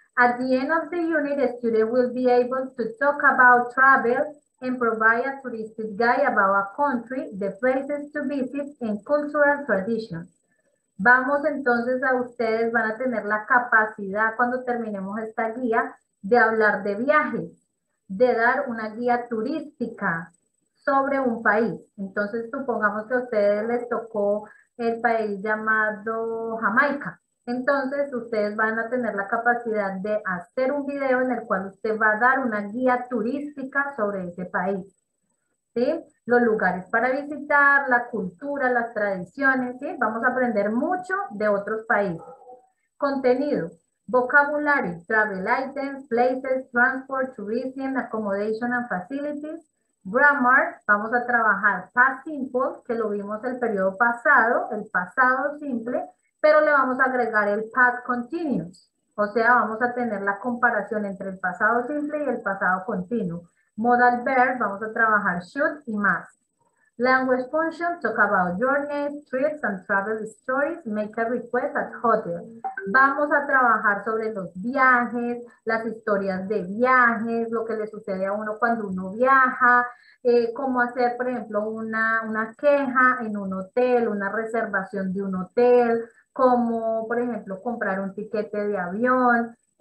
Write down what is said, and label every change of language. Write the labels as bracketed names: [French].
[English] At the end of the unit, a student will be able to talk about travel and provide a touristic guide about a country, the places to visit, and cultural traditions. [Spanish] Vamos entonces a ustedes, van a tener la capacidad cuando terminemos esta guía de hablar de viajes, de dar una guía turística sobre un país. Entonces, supongamos que a ustedes les tocó el país llamado Jamaica. Entonces, ustedes van a tener la capacidad de hacer un video en el cual usted va a dar una guía turística sobre ese país, ¿sí? Los lugares para visitar, la cultura, las tradiciones, ¿sí? Vamos a aprender mucho de otros países. [English] Contenido, vocabulary, travel items, places, transport, tourism, accommodation and facilities. [Spanish] Grammar, vamos a trabajar past simple, que lo vimos el periodo pasado, el pasado simple, pero le vamos a agregar el past continuous, o sea, vamos a tener la comparación entre el pasado simple y el pasado continuo. Modal verb, vamos a trabajar should y must. [English] Language function, talk about journeys, trips and travel stories, make a request at hotel. [Spanish] Vamos a trabajar sobre los viajes, las historias de viajes, lo que le sucede a uno cuando uno viaja, cómo hacer, por ejemplo, una queja en un hotel, una reservación de un hotel, como, por ejemplo, comprar un tiquete de avión,